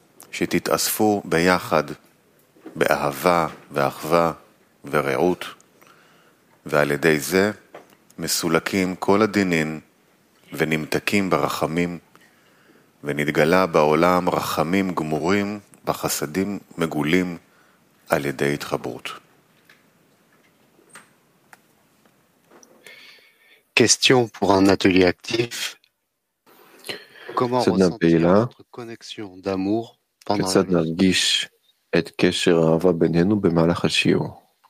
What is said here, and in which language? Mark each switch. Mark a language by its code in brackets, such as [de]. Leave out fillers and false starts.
[he] שתתאספו ביחד באהבה ואחווה ורעות, ועל ידי זה מסולקים כל הדינים ונמתקים ברחמים, ונתגלה בעולם רחמים גמורים וחסדים מגולים על ידי התחברות. [fr] Question pour un atelier actif. Comment ressentir notre connexion d'amour pendant la vie? [he] כיצד נרגיש את קשר האהבה בינינו במהלך השיעור?